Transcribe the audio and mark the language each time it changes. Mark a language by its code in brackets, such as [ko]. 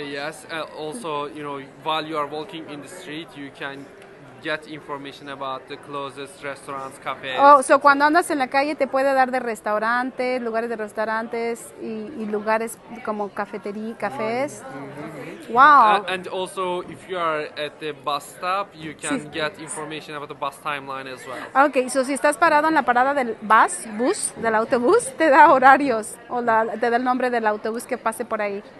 [en] Yes, also, you know, while you are walking in the street, you can get information about the closest restaurants, cafes. [es] Oh, so cuando andas en la calle te puede dar de restaurantes, lugares de restaurantes y lugares como cafetería, cafés. Mm-hmm. Wow. [en] And also if you are at the bus stop, you can sí. get information about the bus timeline as well. [es] Okay, so si estás parado en la parada del bus, del autobús, te da horarios o te da el nombre del autobús que pase por ahí.